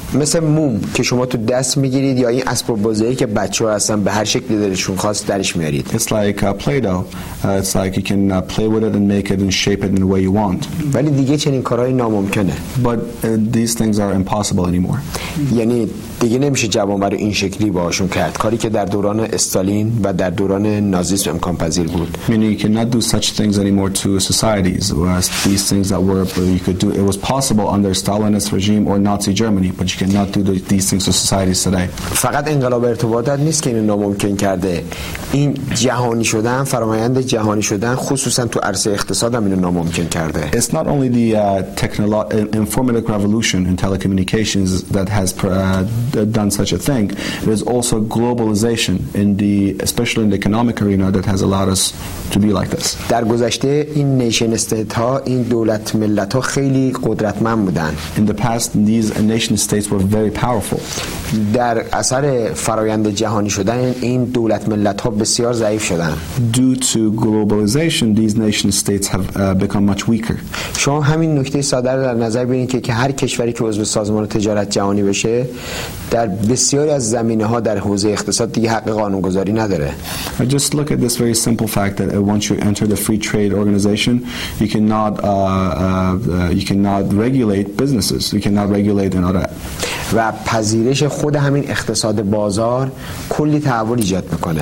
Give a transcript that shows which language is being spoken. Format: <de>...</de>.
<fa>مثل موم که شما تو دست میگیرید یا این اسباب بازی که بچه‌ها هستن به هر شکلی دلشون خواست درش میارید.</fa> <en>It's like Play-Doh. It's like you can play with it and make it and shape it in the way you want.</en> <fa>ولی دیگه چنین کارهایی ناممکنه.</fa> <en>But these things are impossible anymore.</en> <fa>یعنی دیگه نمیشه جوان برای این شکلی باهاشون کرد. کاری که در دوران استالین و در دوران نازیسم امکان پذیر بود.</fa> <en>Meaning you cannot do such things anymore to societies. Whereas these things that were you could do it was possible under Stalinist regime or Nazi Germany, but you cannot do these things to societies today.</en> <fa>فقط انقلاب ارتباطات نیست که اینو ناممکن کرده. این جهانی شدن، فرآیند جهانی شدن خصوصا تو عرصه اقتصاد هم اینو ناممکن کرده.</fa> <en>It's not only the informatic revolution in telecommunications that has done such a thing. It is also globalization, especially in the economic arena, that has allowed us to be like this.</en> <fa>در گذشته این نیشن استیت ها این دولت ملت ها خیلی قدرتمند بودند.</fa> <en>In the past, these nation states were very powerful.</en> <fa>در اثر فرایند جهانی شدن این دولت ملت ها بسیار ضعیف شدند.</fa> <en>Due to globalization, these nation states have become much weaker.</en> <fa>شما همین نکته ساده رو در نظر بگیرید که هر کشوری که عضو سازمان تجارت جهانی بشه در بسیاری از زمینه ها در حوزه اقتصاد دیگه حق قانون گذاری نداره.</fa> <en>I just look at this very simple fact that once you enter the free trade organization, you cannot regulate businesses. You cannot regulate in order.</en> <fa>و پذیرش خود همین اقتصاد بازار کلی تحول ایجاد میکنه.</fa>